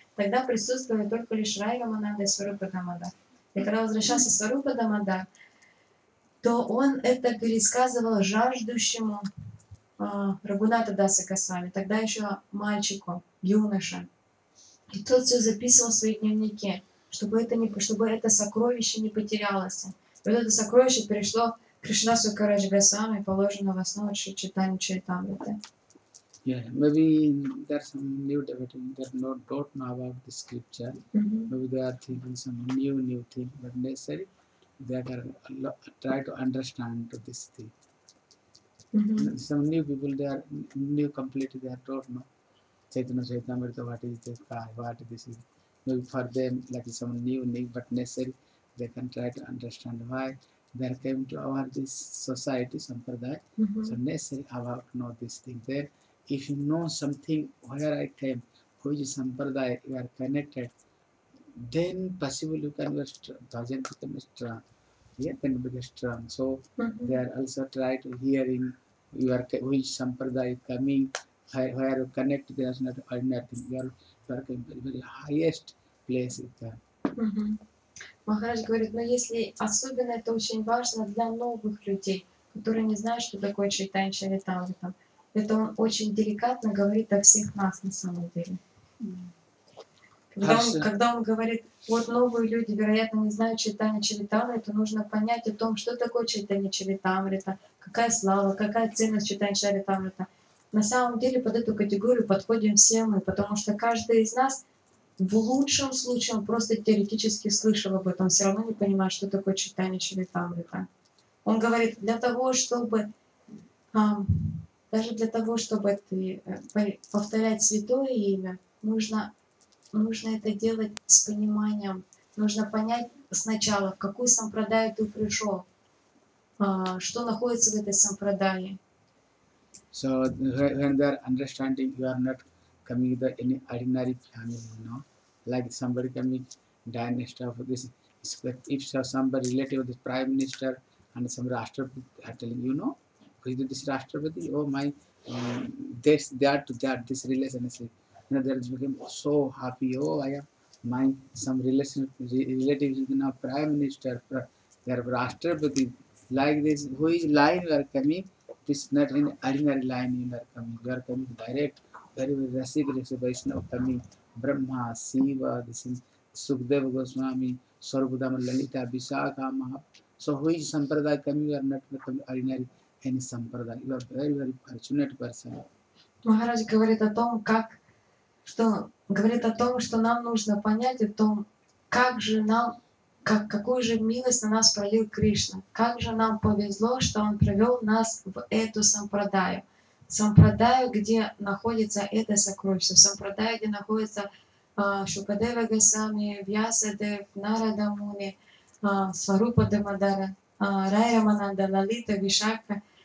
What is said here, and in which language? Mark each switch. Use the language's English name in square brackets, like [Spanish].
[Russian] Тогда присутствовали только лишь Рай Рамананда и Сварупа Дамодар. И когда возвращался Сварупа Дамодар, то он это пересказывал жаждущему Рагхунатха Даса Госвами, тогда еще мальчику, юноше. И тот все записывал в свои дневники, чтобы это сокровище не потерялось. И вот это сокровище перешло Кришнадасу Кавирадж Госвами, положено в основу Шри Чайтаньи Чаритамриты. [English] Yeah, maybe there are some new devotees that don't know about the scripture. Mm-hmm. Maybe they are thinking some new thing, but necessary. They are try to understand this thing. Mm-hmm. Some new people, they are new completely, they don't know Chaitanya Chaitamrita, what is this, what this is. Maybe for them, like some new, but necessary, they can try to understand why. There came to our this society, Sampradaya, mm-hmm. So necessary about know this thing. Then, if you know something, where I came, who is Sampradaya, you are connected, then possible you can be strong. Dajan Kutam is strong. Yeah, then be strong. So, mm-hmm. They are also try to hear in who is Sampradaya coming, where you connect, there is not ordinary thing. You are coming to the very highest place. Mm-hmm. [Russian] Махарадж говорит, но если особенно это очень важно для новых людей, которые не знают, что такое Чайтанья Чаритамрита. это он очень деликатно говорит о всех нас на самом деле. Когда он говорит, вот новые люди, вероятно, не знают Чайтанья Чаритамриту, нужно понять о том, что такое Чайтанья Чаритамрита, какая слава, какая ценность Чайтанья Чаритамрита. На самом деле под эту категорию подходим все мы, потому что каждый из нас в лучшем случае он просто теоретически слышал об этом, все равно не понимает, что такое Чайтанья Чаритамрита. Он говорит, для того, чтобы даже для того, чтобы ты повторять святое имя, нужно это делать с пониманием. Нужно понять сначала, в какую сампрадаю ты пришел, что находится в этой сампрадае. [English] So when they are understanding, you are not coming to any ordinary family, no? Like somebody coming dynasty of this, if somebody relative of this prime minister and some rashtrapati are telling you, no? Because this rashtrapati, oh my, this relation is like, you know, they became so happy, oh I have my some relative with the prime minister, their rashtrapati, like this, who is lying, you are coming? This is not an ordinary line you are coming. You are coming direct, very, very reciprocal Vaishnava coming. Brahma, Siva, this is Sukhdeva Goswami, Sarvudama Lalita, Vishakha Mahap. So who is Sampradaya coming? You are not coming ordinary any Sampradaya. You are very, very fortunate person. [Russian] Maharaj говорит о том, как, что, говорит о том, что нам нужно понять, о том, как же нам, как, какую же милость на нас пролил Кришна. Как же нам повезло, что Он привел нас в эту сампрадаю. Сампрадаю, где находится это сокровище. Сампрадаю, где находится Шукадева Госвами, Вьясадев, Нарада Муни, Сварупа Дамодара, Рай Рамананда, Лалита, Вишакха.